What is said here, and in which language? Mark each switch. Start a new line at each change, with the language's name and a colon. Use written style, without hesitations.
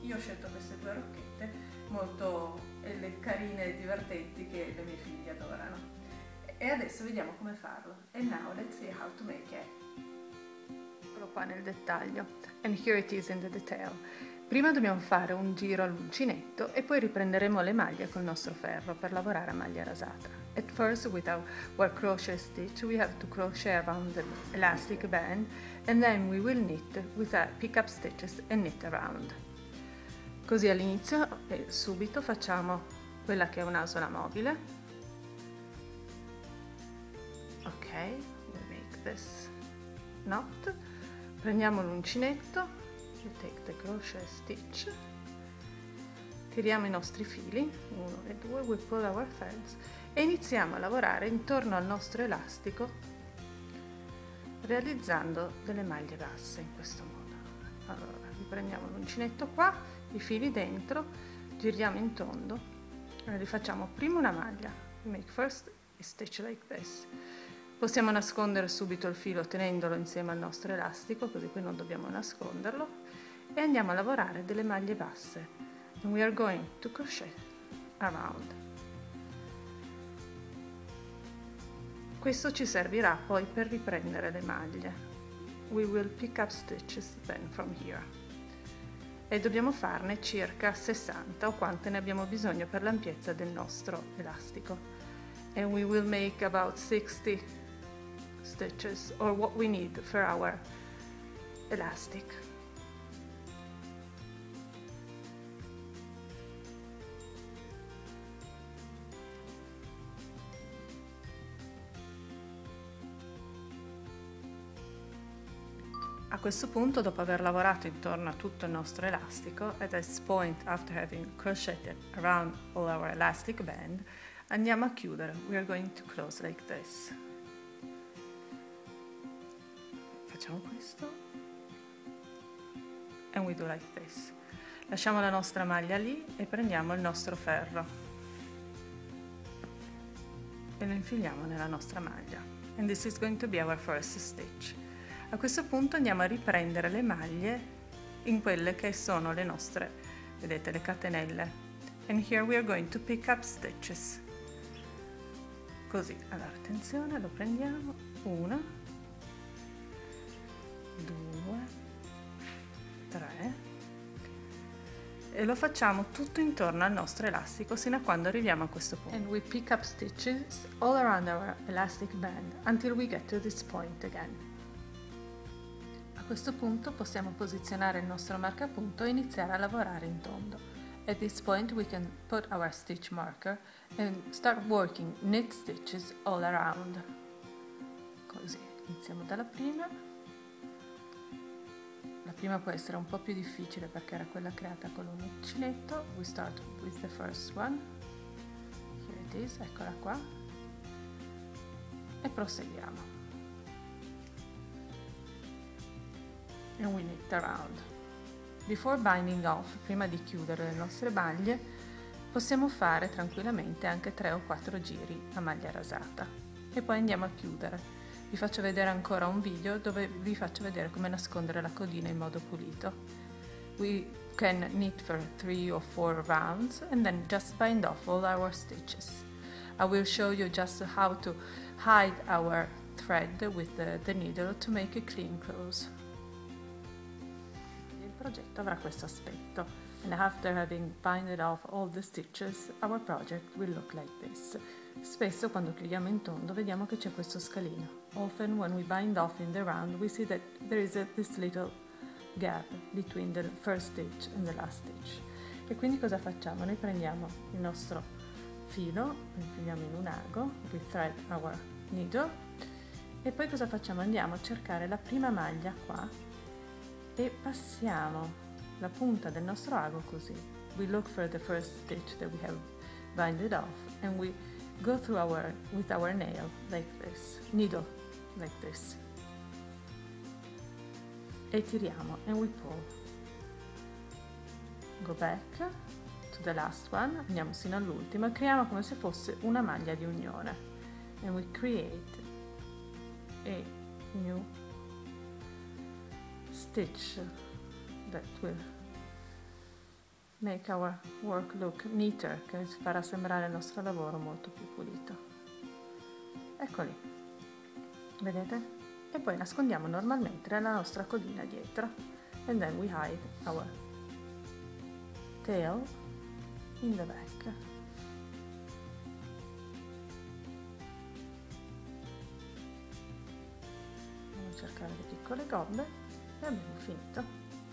Italian: Io ho scelto queste due rocchette molto carine e divertenti che le mie figlie adorano. E adesso vediamo come farlo.
English: And now let's see how to make it.
Italian: Eccolo qua nel dettaglio.
English: And here it is in the detail.
Italian: Prima dobbiamo fare un giro all'uncinetto e poi riprenderemo le maglie col nostro ferro per lavorare a maglia rasata.
English: At first, with our crochet stitch, we have to crochet around the elastic band and then we will knit with our pick-up stitches and knit around.
Italian: Così all'inizio e subito facciamo quella che è un'asola mobile.
English: Ok, we make this knot.
Italian: Prendiamo l'uncinetto.
English: You take the crochet stitch,
Italian: tiriamo i nostri fili, 1 e 2,
English: we pull our threads
Italian: e iniziamo a lavorare intorno al nostro elastico realizzando delle maglie basse in questo modo. Allora, riprendiamo l'uncinetto qua, i fili dentro, giriamo in tondo, rifacciamo prima una maglia,
English: make first a stitch like this.
Italian: Possiamo nascondere subito il filo tenendolo insieme al nostro elastico, così qui non dobbiamo nasconderlo, e andiamo a lavorare delle maglie basse.
English: And we are going to crochet around.
Italian: Questo ci servirà poi per riprendere le maglie.
English: We will pick up stitches then from here.
Italian: E dobbiamo farne circa 60, o quante ne abbiamo bisogno per l'ampiezza del nostro elastico.
English: And we will make about 60 stitches, or what we need for our elastic.
Italian: A questo punto, dopo aver lavorato intorno a tutto il nostro elastico,
English: at this point, after having crocheted around all our elastic band,
Italian: andiamo a chiudere.
English: We are going to close like this.
Italian: Facciamo questo
English: and we do like this.
Italian: Lasciamo la nostra maglia lì e prendiamo il nostro ferro e lo infiliamo nella nostra maglia.
English: And this is going to be our first stitch.
Italian: A questo punto andiamo a riprendere le maglie in quelle che sono le nostre, vedete, le catenelle.
English: And here we are going to pick up stitches.
Italian: Così, allora attenzione, lo prendiamo, una, 2, 3 e lo facciamo tutto intorno al nostro elastico sino a quando arriviamo a questo punto.
English: And we pick up stitches all around our elastic band until we get to this point again.
Italian: A questo punto possiamo posizionare il nostro marcapunto e iniziare a lavorare in tondo.
English: At this point we can put our stitch marker and start working knit stitches all around.
Italian: Così, iniziamo dalla prima. La prima può essere un po' più difficile perché era quella creata con un uncinetto.
English: We start with the first one. Here it is,
Italian: eccola qua. E proseguiamo.
English: And we knit around. Before binding off,
Italian: prima di chiudere le nostre maglie, possiamo fare tranquillamente anche 3 o 4 giri a maglia rasata. E poi andiamo a chiudere. Vi faccio vedere ancora un video dove vi faccio vedere come nascondere la codina in modo pulito.
English: We can knit for 3 or 4 rounds and then just bind off all our stitches. I will show you just how to hide our thread with the needle to make a clean close.
Italian: Il progetto avrà questo aspetto.
English: And after having binded off all the stitches, our project will look like this.
Italian: Spesso quando chiudiamo in tondo vediamo che c'è questo scalino.
English: Often when we bind off in the round we see that there is this little gap between the first stitch and the last stitch.
Italian: E quindi cosa facciamo? Noi prendiamo il nostro filo, lo infiliamo in un ago,
English: we thread our needle
Italian: E poi cosa facciamo? Andiamo a cercare la prima maglia qua e passiamo la punta del nostro ago così.
English: We look for the first stitch that we have binded off and we go through our with our nail like this, needle like this.
Italian: E tiriamo
English: and we pull. Go back to the last one,
Italian: andiamo sino all'ultima, creiamo come se fosse una maglia di unione.
English: And we create a new stitch that will make our work look neater,
Italian: che farà sembrare il nostro lavoro molto più pulito. Eccoli, vedete? E poi nascondiamo normalmente la nostra codina dietro.
English: And then we hide our tail in the back.
Italian: Andiamo a cercare le piccole gobbe e abbiamo finito.